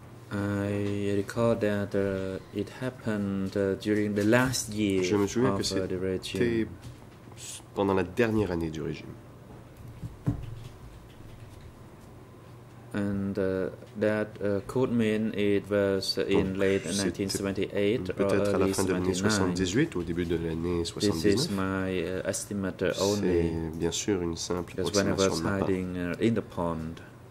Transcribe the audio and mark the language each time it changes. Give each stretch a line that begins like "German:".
English: I recall that it happened during the last year.
French: Je me souviens que c'était pendant la dernière année du régime.
English: And that could mean it was in late 1978 or early 1979. This is my estimate only. Because when I was hiding in the pond.